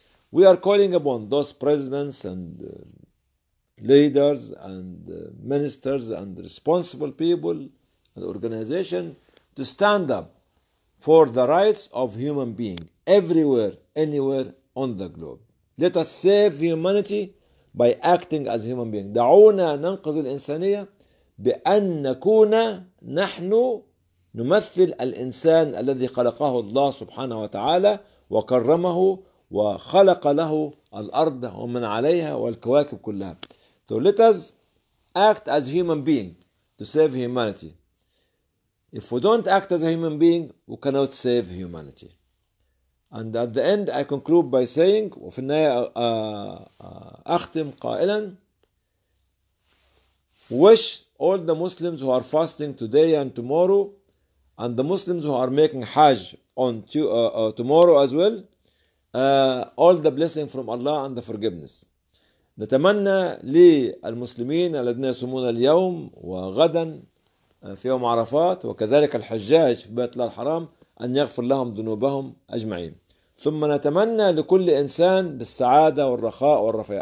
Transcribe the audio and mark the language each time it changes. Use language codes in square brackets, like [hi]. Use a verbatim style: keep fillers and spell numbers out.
[en] We are calling upon those presidents and leaders and ministers and responsible people and organizations to stand up for the rights of human beings everywhere, anywhere on the globe. Let us save humanity by acting as human beings. [ar] دعونا ننقذ الإنسانية بأن نكون نحن نمثل الإنسان الذي خلقه الله سبحانه وتعالى وكرمه وخلق له الأرض ومن عليها والكواكب كلها. [en] So let us act as human being to save humanity. If we don't act as a human being, we cannot save humanity. And at the end, I conclude by saying, [ar] وفي النهاية أختم قائلا, [en] wish all the Muslims who are fasting today and tomorrow, and the Muslims who are making Hajj on to, uh, uh, tomorrow as well, uh, all the blessing from Allah and the forgiveness. [ar] نتمنى للمسلمين الذين يصومون اليوم وغدا في يوم عرفات وكذلك الحجاج في بيت الله الحرام أن يغفر لهم ذنوبهم أجمعين. ثم نتمنى لكل إنسان بالسعادة والرخاء والرفاه.